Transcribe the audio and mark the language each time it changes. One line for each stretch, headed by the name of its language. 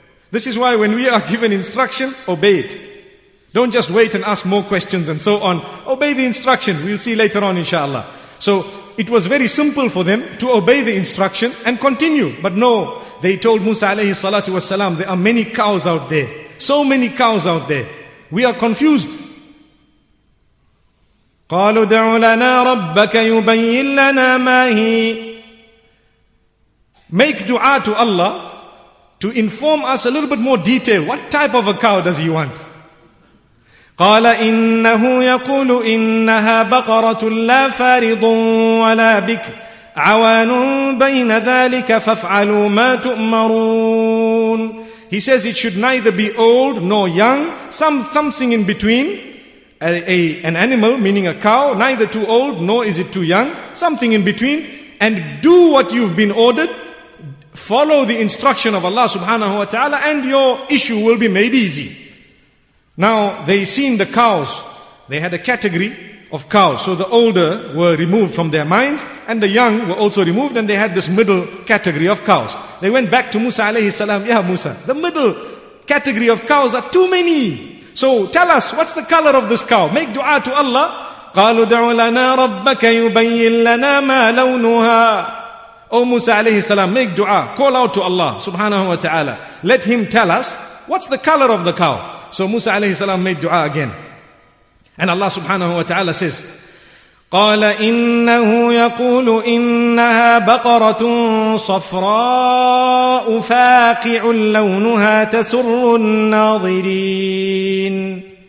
English: This is why when we are given instruction, obey it. Don't just wait and ask more questions and so on. Obey the instruction. We'll see later on inshallah. So it was very simple for them to obey the instruction and continue. But no, they told Musa alayhi salatu wasalam, there are many cows out there. So many cows out there. We are confused.
Arabic: قالوا ادع لنا ربك يبين لنا ما هي.
English: Make dua to Allah to inform us a little bit more detail. What type of a cow does he want?
Arabic: قال إنه يقول إنها بقرة لا فارض ولا بكر عوان بين ذلك فافعلوا ما تؤمرون.
English: He says it should neither be old nor young, something in between, an animal meaning a cow, neither too old nor is it too young, something in between, and do what you've been ordered, follow the instruction of Allah subhanahu wa ta'ala, and your issue will be made easy. Now they seen the cows, they had a category of cows, so the older were removed from their minds and the young were also removed, and they had this middle category of cows. They went back to Musa alayhi salam. Ya Musa, the middle category of cows are too many, so tell us, what's the color of this cow? Make dua to Allah.
Arabic: قالوا دع لنا ربك يبين لنا ما لونها.
English: Oh Musa alayhi salam, make dua, call out to Allah subhanahu wa ta'ala, let him tell us what's the color of the cow. So Musa alayhi salam made dua again, and Allah subhanahu wa ta'ala says,
Arabic: قَالَ إِنَّهُ يَقُولُ إِنَّهَا بَقَرَةٌ صَفْرَاءُ فَاقِعٌ لَوْنُهَا تَسُرُّ النَّاظِرِينَ.